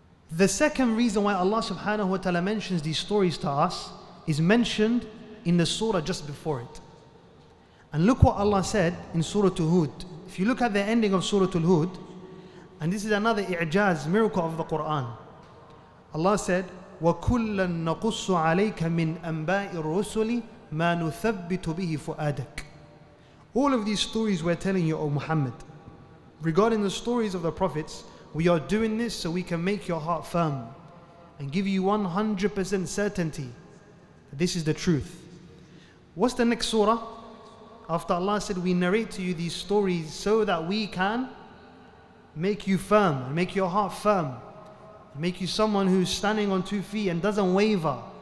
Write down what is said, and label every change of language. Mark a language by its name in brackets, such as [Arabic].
[English] The second reason why Allah subhanahu wa ta'ala mentions these stories to us is mentioned in the surah just before it. And look what Allah said in Surah Al-Hud. If you look at the ending of Surah Al-Hud, and this is another i'jaz, miracle of the Quran. Allah said, [Arabic] وَكُلًّا نَقُصُّ عَلَيْكَ مِنْ أَنْبَاءِ الرُّسُلِ مَا نُثَبِّتُ بِهِ فُؤَادَكَ. [English] All of these stories we're telling you, O Muhammad, regarding the stories of the prophets, we are doing this so we can make your heart firm and give you 100% certainty that this is the truth. What's the next surah? After Allah said, we narrate to you these stories so that we can make you firm and make your heart firm, make you someone who's standing on two feet and doesn't waver.